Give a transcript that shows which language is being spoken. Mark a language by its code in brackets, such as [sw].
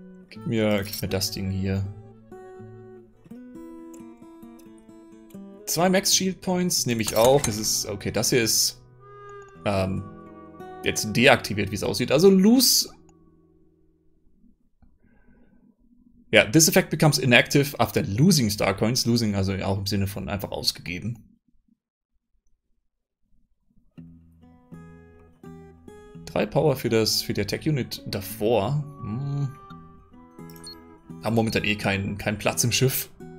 [de] Gib mir das Ding hier. 2 Max Shield Points nehme ich auch. Das ist... Okay, das hier ist... jetzt deaktiviert, wie es aussieht. Also loose... [en] Ja, this effect becomes inactive after losing Star Coins. [de] Losing also auch im Sinne von einfach ausgegeben. Drei Power für die Attack Unit davor. Haben momentan eh keinen Platz im Schiff.